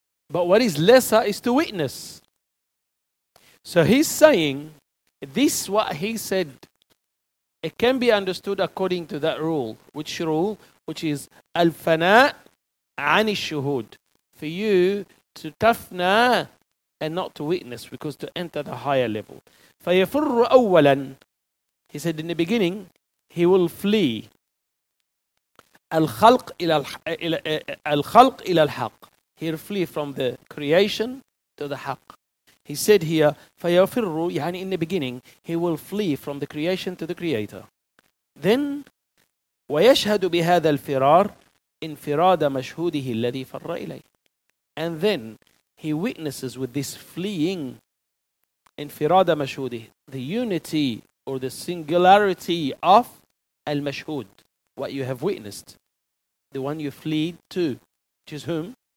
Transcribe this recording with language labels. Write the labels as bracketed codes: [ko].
[en] But what is lesser is to witness. So he's saying, this what he said, it can be understood according to that rule. Which rule? Which is al-fana ani shuhud. For you to tafna and not to witness, because to enter the higher level. فَيَفُرُّ أَوَّلًا. He said in the beginning, he will flee. [ar] الخلق إلى الخلق إلى الحق. [en] He flee from the creation to the حق. He said here, فيفر يعني in the beginning, he will flee from the creation to the creator. [ar] Then, ويشهد بهذا الفرار انفراد مشهوده الذي فر إليه. [en] And then, he witnesses with this fleeing انفراد مشهوده, the unity or the singularity of المشهود, what you have witnessed, the one you flee to, which is whom?